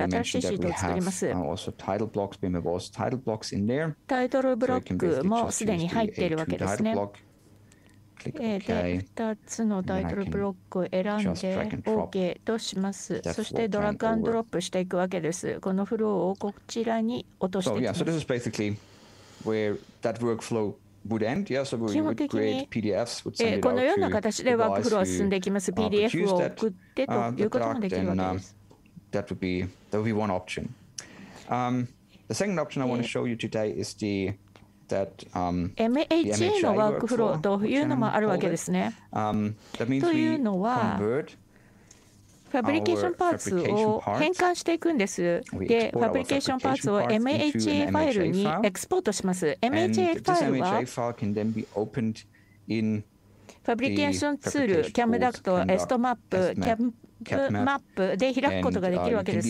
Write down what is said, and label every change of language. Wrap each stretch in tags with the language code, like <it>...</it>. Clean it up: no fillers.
<ja>新しいシートを作ります。タイトルブロックもすでに入っているわけですね。で、2つのタイトルブロックを選んで OK とします。そしてドラッグアンドロップしていくわけです。このフローをこちらに落としていきます。</ja> <en>So this is basically where that workflow would end. Yeah, so we would create PDFs, would send</en> <ja>このような形でワークフローは進んでいきます。PDF を送ってということもできるわけです。</ja> <en>That would be one option. The second option I want to show you today is theMHA</en> <ja>のワークフローというのもあるわけですね。というのは、ファブリケーションパーツを変換していくんです。で、ファブリケーションパーツを MHA ファイルにエクスポートします。 MHA ファイルは、ファブリケーションツール、キャムダクト、エストマップ、キャムマップで開くことができるわけです。</ja>